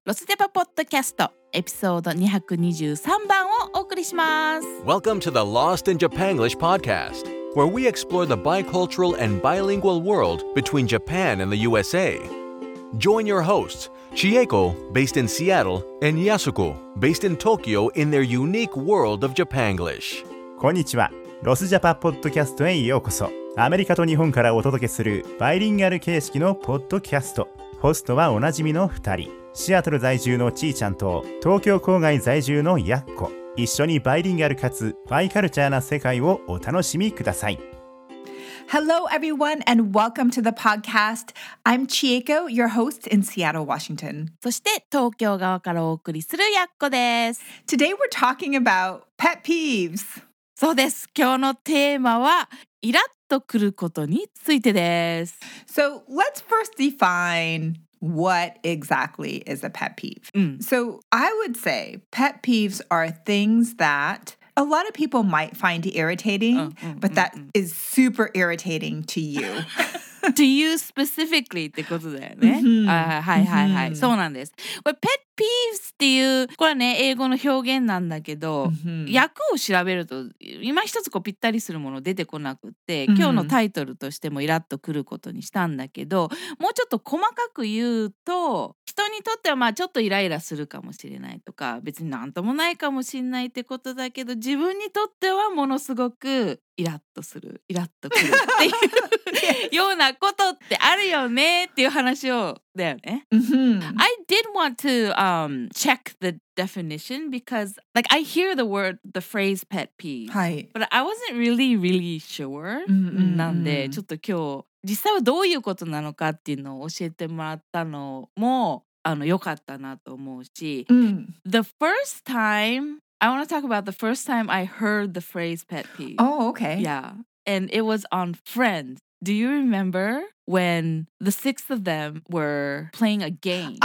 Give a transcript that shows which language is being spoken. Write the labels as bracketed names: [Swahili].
[Japanese] ロスデパポッドキャスト、エピソード223番をお送りします。 [English] Welcome to the Lost in Japan English podcast, where we explore the bicultural and bilingual world between Japan and the USA. Join your hosts, Chieko, based in Seattle, and Yasuko, based in Tokyo, in their unique world of Japanglish. [Japanese] こんにちは。ロスジャパポッドキャストへようこそ。アメリカと日本からお届けするバイリンガル形式のポッドキャスト。ホストはおなじみの2人、シアトル在住のちーちゃんと東京郊外在住のやっこ。一緒にバイリンガルかつバイカルチャーな世界をお楽しみください。 [English] Hello everyone and welcome to the podcast. I'm Chieko, your host in Seattle, Washington. [Japanese] そして東京側からお送りするやっこです。 [English] Today we're talking about pet peeves. [Japanese] そうです。今日のテーマはイラッとくることについてです。 [English] So let's first define what exactly is a pet peeve. So I would say pet peeves are things that a lot of people might find irritating, but that is super irritating to you. To you specifically [Japanese] ってことだよね。はいはいはい、そうなんです。これ pet peeves っていう、これはね英語の表現なんだけど、訳を調べると今一つこうぴったりするもの出てこなくて、今日のタイトルとしてもイラッとくることにしたんだけど、もうちょっと細かく言うと、人にとってはまあちょっとイライラするかもしれないとか、別になんともないかもしれないってことだけど、自分にとってはものすごくイラッとする、イラッとくるっていう。 [English] Yes. [Japanese] ようなことってあるよねっていう話をだよね。 [English] I did want to check the definition because like I hear the word, the phrase pet peeve. [Japanese] はい。 [English] But I wasn't really, really sure. [Japanese] なんでちょっと今日実際はどういうことなのかっていうのを教えてもらったのも良かったなと思うし。 [English] The first time, I want to talk about the first time I heard the phrase pet peeve. Oh, okay. Yeah. And it was on Friends. Do you remember when the six of them were playing a game?